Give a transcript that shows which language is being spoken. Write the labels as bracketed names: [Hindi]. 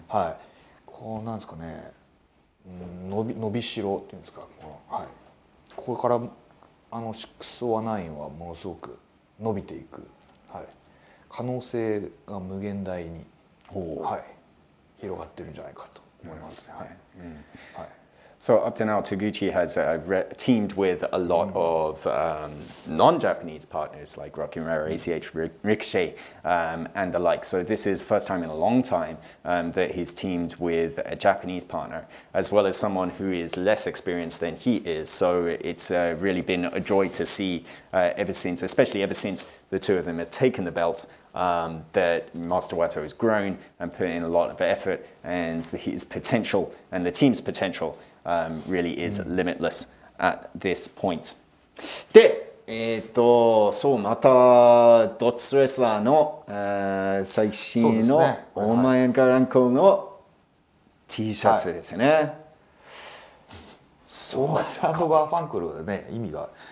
[Japanese] はい、こうなんですかね、伸びしろっていうんですか、この、はい、これからあの609はものすごく伸びていく、はい、可能性が無限大に、はい、広がってるんじゃないかと思います、はい、うん、はい、 [English] So up to now, Taguchi has teamed with a lot of non-Japanese partners like Rocky Romero, ACH, Ricochet, and the like. So this is first time in a long time that he's teamed with a Japanese partner, as well as someone who is less experienced than he is. So it's really been a joy to see ever since the two of them have taken the belts, that Master Wato has grown and put in a lot of effort, and his potential and the team's potential really is limitless at this point. [Japanese] で、そう、またドッツレスラーの最新のオーマイアンガランコの T シャツですね。そう、シャドガーファンクルね、意味が。